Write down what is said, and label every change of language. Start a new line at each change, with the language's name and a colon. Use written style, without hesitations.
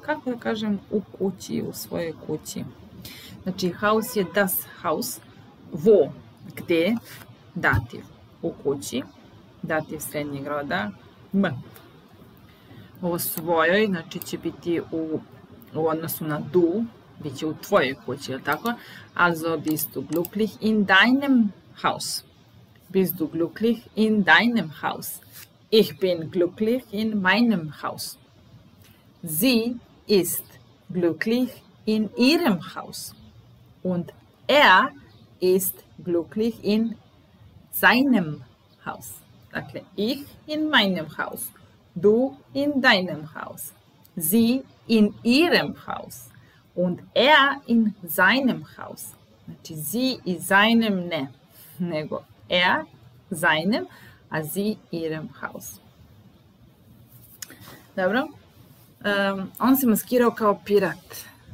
Croatian: Kako da kažem u kući, u svojoj kući? Znači, Haus je das Haus. Wo, gde, dativ. U kući, dativ srednjeg roda, m. U svojoj, znači će biti u odnosu na du, bit će u tvojoj kući, je li tako?
German: Also bist du glücklich in deinem Haus. Bist du glücklich in deinem Haus? Ich bin glücklich in meinem Haus. Sie ist glücklich in ihrem Haus. Und er ist glücklich in seinem Haus. Dakle, ich in meinem Haus. Du in deinem Haus. Sie in ihrem Haus. Und er in seinem Haus. Znači, sie in seinem, ne. Nego, er seinem, a sie ihrem Haus.
Croatian: Dobro. On se maskirao kao pirat.